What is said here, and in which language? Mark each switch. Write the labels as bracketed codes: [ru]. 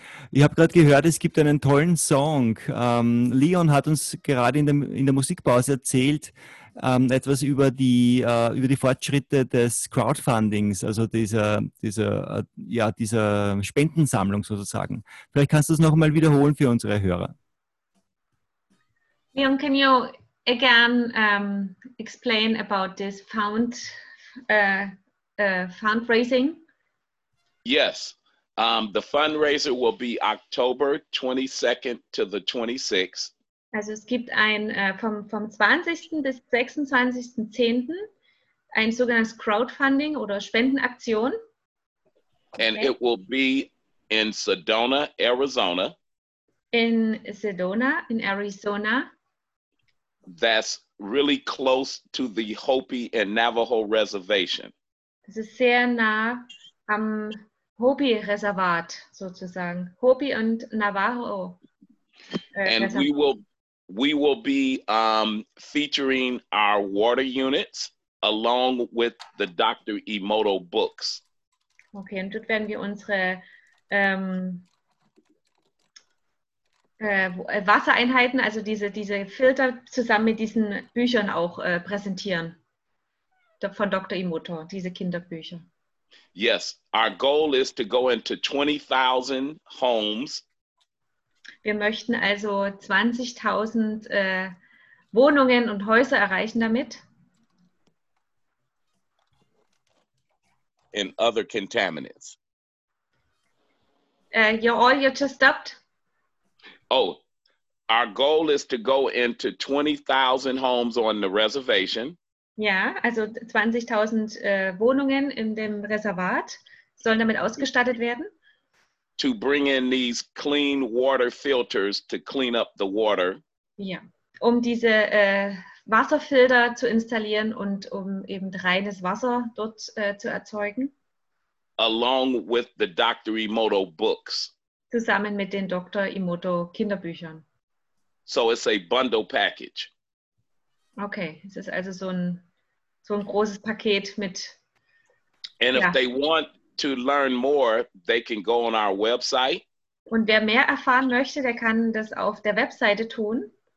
[de] Ich habe gerade gehört, es gibt einen tollen Song. Leon hat uns gerade in der Musikpause erzählt, etwas über die Fortschritte des Crowdfundings, also dieser Spendensammlung sozusagen. Vielleicht kannst du es noch mal wiederholen für unsere Hörer. [en] Leon, can you again explain about this fundraising? Yes. The fundraiser will be October 22nd to the 26th. [de] Also es gibt ein vom 20. bis 26.10. ein sogenanntes Crowdfunding oder Spendenaktion. [en] And okay. It will be in Sedona, Arizona. [de] In Sedona, in Arizona. [en] That's really close to the Hopi and Navajo Reservation. [de] Das ist sehr nah am Hopi-Reservat sozusagen. Hopi und Navajo. [en] We will be featuring our water units along with the Dr. Emoto books. [de] Okay, und dort werden wir unsere Wassereinheiten, also diese Filter, zusammen mit diesen Büchern auch präsentieren. Von Dr. Emoto, diese Kinderbücher. [en] Yes, our goal is to go into 20,000 homes. [de] Wir möchten also 20,000 Wohnungen und Häuser erreichen damit. [en] And other contaminants. You just stopped. Oh, our goal is to go into 20,000 homes on the reservation. [de] Ja, also 20,000 Wohnungen in dem Reservat sollen damit ausgestattet werden. [en] To bring in these clean water filters to clean up the water. [de] Ja, um diese Wasserfilter zu installieren und um eben reines Wasser dort zu erzeugen. [en] Along with the Dr. Emoto books. [de] Zusammen mit den Dr. Emoto Kinderbüchern. [en] So it's a bundle package. [de] Okay, es ist also so ein großes Paket mit. [en] And ja. If they want to learn more, they can go on our website. [de] Und wer mehr erfahren möchte, der kann das auf der Webseite tun.